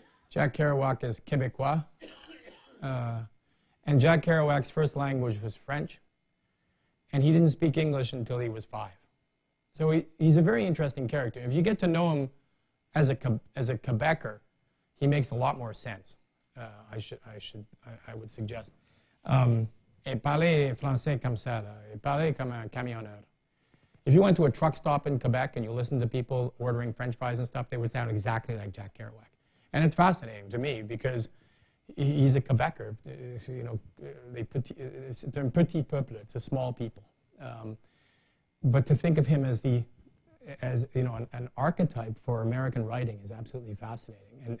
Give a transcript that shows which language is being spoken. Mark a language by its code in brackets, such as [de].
[en] Jack Kerouac is Quebecois. And Jack Kerouac's first language was French. And he didn't speak English until he was 5. So he's a very interesting character. If you get to know him as a Quebecer, he makes a lot more sense. I would suggest. [fr] Et parler français comme ça, là. Et parler comme un camionneur. [en] If you went to a truck stop in Quebec and you listened to people ordering French fries and stuff, they would sound exactly like Jack Kerouac. And it's fascinating to me because he's a Quebecer. You know, they're [fr] un petit peuple. [en] It's a small people. But to think of him as an archetype for American writing is absolutely fascinating.